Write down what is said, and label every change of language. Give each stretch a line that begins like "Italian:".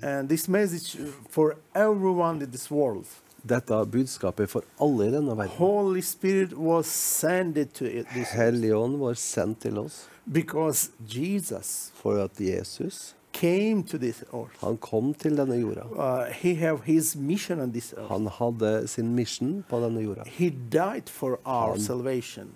English: And this message for everyone in this world.
Norwegian: Dette budskapet for alle I denne verden.
English: Holy Spirit was sent to it.
Norwegian: This hellige ånd var sendt til oss.
English: Because Jesus.
Norwegian: For at Jesus.
English: Came to this earth.
Norwegian: Han kom til denne jorda.
English: He have his mission on this earth.
Norwegian: Han hadde sin mission på denne jorda.
English: He died for our salvation.